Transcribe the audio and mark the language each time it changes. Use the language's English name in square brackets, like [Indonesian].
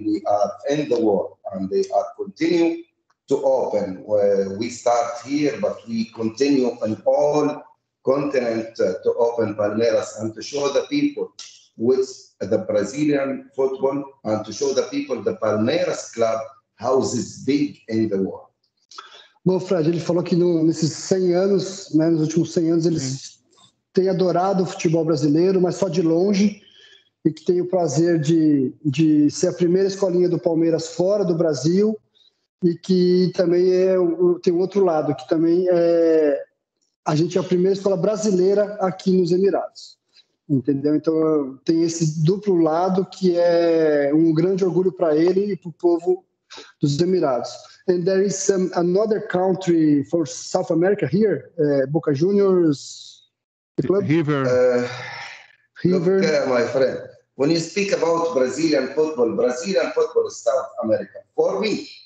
[English] We are in the world and they are continuing to open. We start here, but we continue on all continent to open Palmeiras and to show the people with the Brazilian football and to show the people the Palmeiras club houses big in the world. [Portuguese] Bom, Fred, ele falou que nesses 100 anos, né, nos últimos 100 anos, eles têm adorado o futebol brasileiro, mas só de longe. e que tem o prazer de ser a primeira escolinha do Palmeiras fora do Brasil, e que também é, tem outro lado, que também é, a gente é a primeira escola brasileira aqui nos Emirados. Entendeu? Então, tem esse duplo lado que é um grande orgulho para ele e para o povo dos Emirados. [English] And there is another country for South America here, Boca Juniors, the club? River. River. Look, my friend, when you speak about Brazilian football is South America, for me.